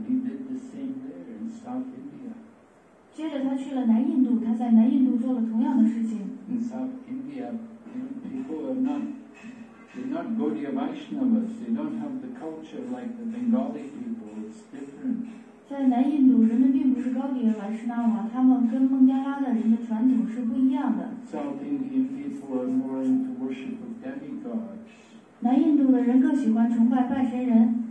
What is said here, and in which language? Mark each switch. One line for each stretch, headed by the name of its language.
English: He did the same there in South India.
Chinese: 接着他去了南印度，他在南印度做了同样的事情。
English: In South India, people are not Gaudiya Vaishnavas. They don't have the culture like the Bengali people. It's different.
Chinese: 在南印度，人们并不是高迪瓦什纳瓦，他们跟孟加拉的人的传统是不一样的。
English: South Indian people are more into worship of demigods.
Chinese: 南印度的人更喜欢崇拜半神人。